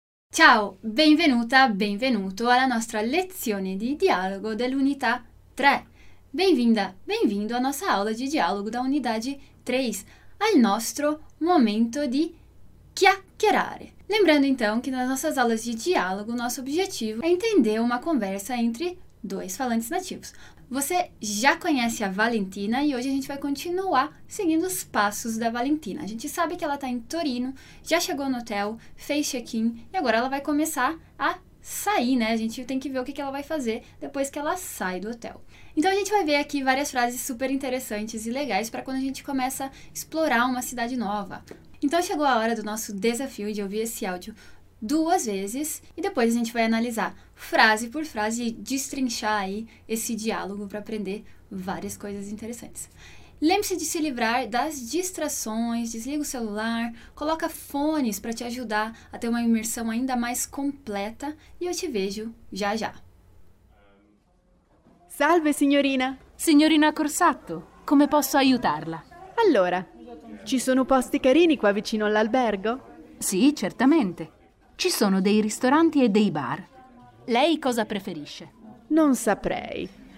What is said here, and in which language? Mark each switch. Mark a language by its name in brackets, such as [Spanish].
[Italian] Ciao, benvenuta, benvenuto alla nostra lezione di dialogo dell'unità 3. [Portuguese] Bem-vinda, bem-vindo [Italian] alla nostra [Portuguese] aula [Italian] di dialogo [Portuguese] da unidade 3, [Italian] al nostro momento di chiacchierare. [Portuguese] Lembrando então que nas nossas aulas de diálogo, nosso objetivo é entender uma conversa entre dois falantes nativos. Você já conhece a Valentina e hoje a gente vai continuar seguindo os passos da Valentina. A gente sabe que ela está em Torino, já chegou no hotel, fez check-in e agora ela vai começar a sair, né? A gente tem que ver o que ela vai fazer depois que ela sai do hotel. Então a gente vai ver aqui várias frases super interessantes e legais para quando a gente começa a explorar uma cidade nova. Então chegou a hora do nosso desafio de ouvir esse áudio duas vezes e depois a gente vai analisar frase por frase e destrinchar aí esse diálogo para aprender várias coisas interessantes. Lembre-se de se livrar das distrações, desliga o celular, coloca fones para te ajudar a ter uma imersão ainda mais completa e eu te vejo já já. [Italian] Salve, signorina! Signorina Corsatto, come posso aiutarla? Allora, ci sono posti carini qua vicino all'albergo? Sì, certamente. Ci sono dei ristoranti e dei bar. Lei cosa preferisce? Non saprei.